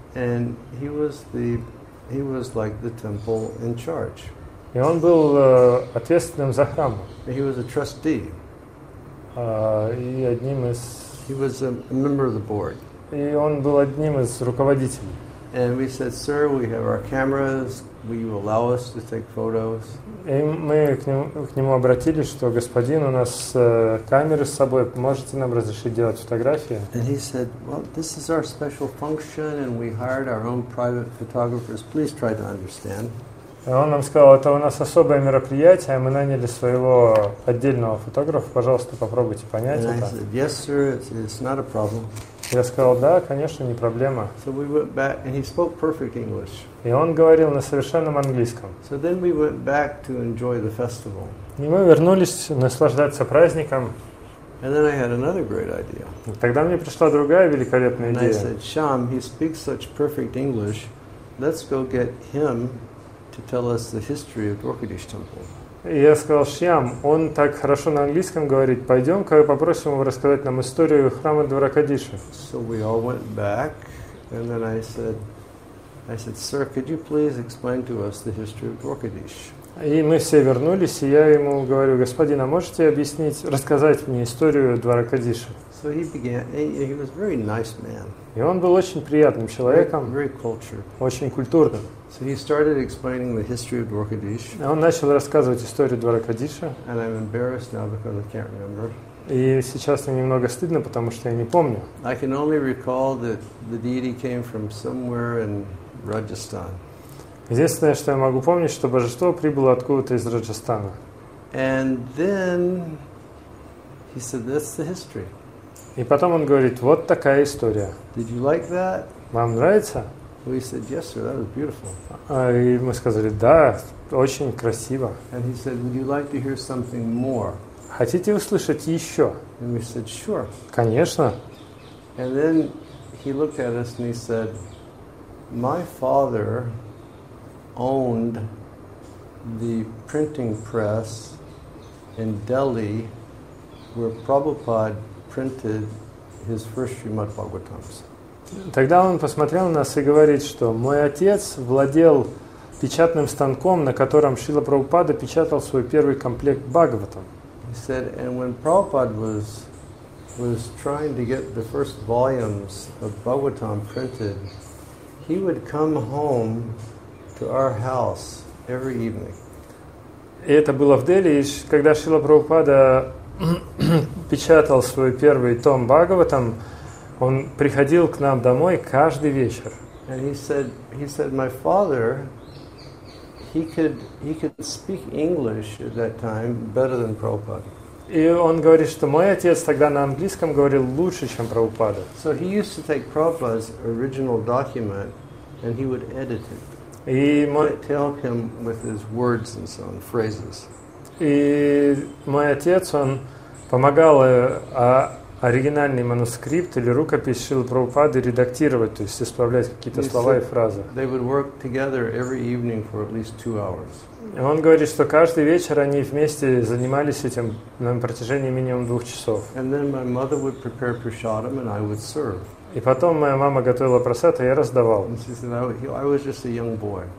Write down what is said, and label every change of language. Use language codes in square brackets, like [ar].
[en] And he was like the temple in charge. [ru] И он был ответственным за храм. [en] He was a trustee. [ru] И одним из. [en] He was a member of the board. [ru] И он был одним из руководителей. [en] And we said, "Sir, we have our cameras. Will you allow us to take photos?" [ru] И мы к нему обратились, что господин, у нас камеры с собой, можете нам разрешить делать фотографии? [en] And he said, "Well, this is our special function, and we hired our own private photographers. Please try to understand." [ru] И он нам сказал, это у нас особое мероприятие, мы наняли своего отдельного фотографа, пожалуйста, попробуйте понять [en] and And I said, "Yes, sir. It's not a problem." [ru] Я сказал, да, конечно, не проблема. [en] So we went back, and he spoke perfect English. [ru] И он говорил на совершенном английском. [en] So then we went back to enjoy the festival. [ru] И мы вернулись наслаждаться праздником. [en] And then I had another great idea. [ru] Тогда мне пришла другая великолепная идея. [en] And I said, "Sham, he speaks such perfect English. Let's go get him to tell us the history of Dwarkadish Temple. [ru] И я сказал Шьям, он так хорошо на английском говорит, пойдем-ка и попросим его рассказать нам историю храма Дваракадиши. [en] So we all went back, and then I said, sir, could you please explain to us the history of Dwarkadish? [ru] И мы все вернулись, и я ему говорю, господин, а можете объяснить, рассказать мне историю Дваракадиши? [en] So he began, he was a very nice man. [ru] И он был очень приятным человеком, [en] very cultured. [ru] Очень культурным. [en] So he started explaining the history of Dwarkadish. [ru] Он начал рассказывать историю Дваракадиши. [en] And I'm embarrassed now because I can't remember. [ru] И сейчас мне немного стыдно, потому что я не помню. [en] I can only recall that the deity came from somewhere in Rajasthan. [ru] Единственное, что я могу помнить, что божество прибыло откуда-то из Раджастана. [en] And then he said, "That's the history." [ru] И потом он говорит, вот такая история. [en] Did you like that? [ru] Вам нравится? [en] We said, yes, sir, that was beautiful. [ru] И мы сказали, да, очень красиво. [en] And he said, would you like to hear something more? [ru] Хотите услышать еще? [en] And we said, sure. [ru] Конечно. [en] And then he looked at us and he said, my father owned the printing press in Delhi where Prabhupada printed his first Srimad Bhagavatams. [ru] Тогда он посмотрел на нас и говорит, что мой отец владел печатным станком, на котором Шрила Прабхупада печатал свой первый комплект Бхагаватам. [en] He said, and when Prabhupada was trying to get the first volumes of Bhagavatam printed, he would come home to our house every evening. [ru] И это было в Дели, когда Шрила Прабхупада печатал свой первый том Бхагаватам, он приходил к нам домой каждый вечер. [en] And he said, my father, he could speak English at that time better than Prabhupada. [ru] И он говорит, что мой отец тогда на английском говорил лучше, чем Прабхупада. [en] So he used to take Prabhupada's original document and he would edit it. [ru] И мой... [en] tell him with his words and so on, phrases. [ru] И мой отец, он помогал оригинальный манускрипт или рукопись Шрилы Прабхупады редактировать, то есть исправлять какие-то слова и фразы. [en] They would work together every evening for at least 2 hours. [ru] И он говорит, что каждый вечер они вместе занимались этим на протяжении минимум 2 часов. [en] And then my mother would prepare prasadam and I would serve. [ru] И потом моя мама готовила прасад, а я раздавал. [en] And she said, I was just a young boy.